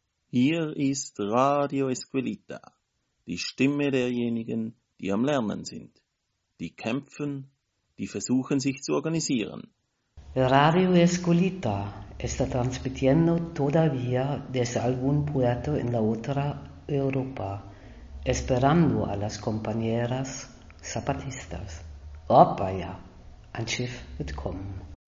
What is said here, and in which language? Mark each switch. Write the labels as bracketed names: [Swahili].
[German] Hier ist Radio Esquilita, die Stimme derjenigen, die am Lernen sind, die kämpfen, die versuchen, sich zu organisieren. [Spanish] Radio Esquilita está transmitiendo todavía desde algún puerto en la otra Europa, esperando a las compañeras zapatistas. [German] Opa ya, ein Schiff wird kommen.